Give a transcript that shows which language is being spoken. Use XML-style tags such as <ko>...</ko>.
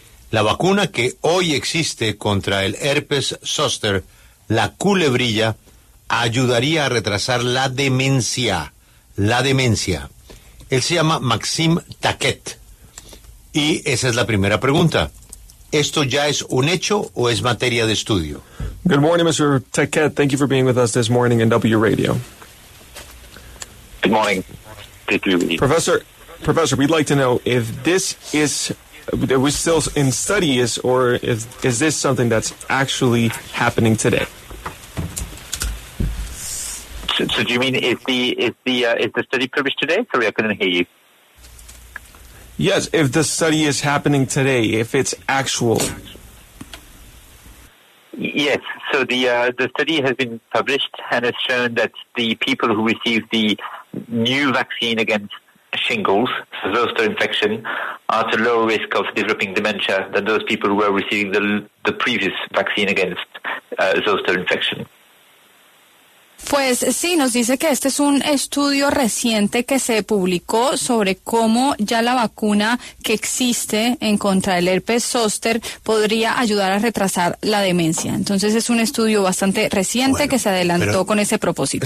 <es>La vacuna que hoy existe contra el herpes zóster, la culebrilla, ayudaría a retrasar la demencia. La demencia. Él se llama Maxim Taquet. Y esa es la primera pregunta. ¿Esto ya es un hecho o es materia de estudio?</es> <en>Good morning, Mr. Taquet. Thank you for being with us this morning in W Radio. Good morning. Good to be with you. Professor, we'd like to know if this is, are we still in studies, or is this something that's actually happening today? So do you mean is the study published today? Sorry, I couldn't hear you. Yes, if the study is happening today, if it's actual. Yes, so the study has been published and has shown that the people who received the new vaccine against shingles, zoster infection, are at a lower risk of developing dementia than those people who were receiving the previous vaccine against zoster infection.</en> <es>Pues sí, nos dice que este es un estudio reciente que se publicó sobre cómo ya la vacuna que existe en contra del herpes zóster podría ayudar a retrasar la demencia. Entonces es un estudio bastante reciente, bueno, que se adelantó con ese propósito.</es>